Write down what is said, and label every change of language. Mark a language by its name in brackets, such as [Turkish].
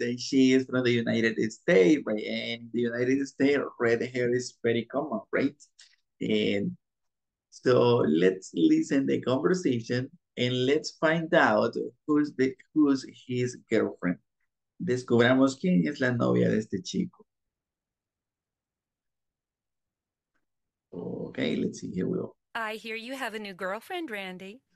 [English] And she is from the United States, right? And the United States, red hair is very common, right? And so let's listen to the conversation and let's find out who's his girlfriend. [Spanish] Descubramos quién es la novia de este chico. [English] Okay, let's see, here we go. I hear you have a new girlfriend, Randy.